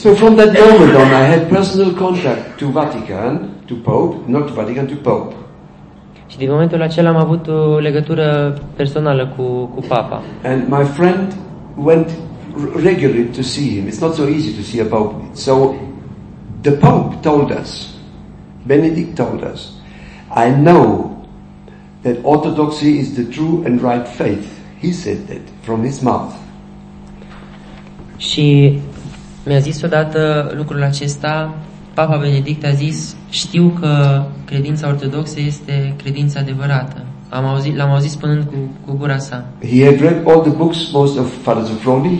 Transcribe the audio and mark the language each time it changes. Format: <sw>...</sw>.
<en>So from that moment on, I had personal contact to Vatican, to Pope, not to Vatican, to Pope.</en> <ro>Și din momentul acela am avut o legătură personală cu Papa.</ro> <en>And my friend went regularly to see him. It's not so easy to see a Pope. So the Pope told us, Benedict told us, I know that Orthodoxy is the true and right faith. He said that from his mouth.</en> <ro>Și mi-a zis odată lucrul acesta, Papa Benedict a zis, știu că credința ortodoxă este credința adevărată. L-am auzit spunând cu gura sa.</ro> <en>He had read all the books most of Father Zuffroni.</en>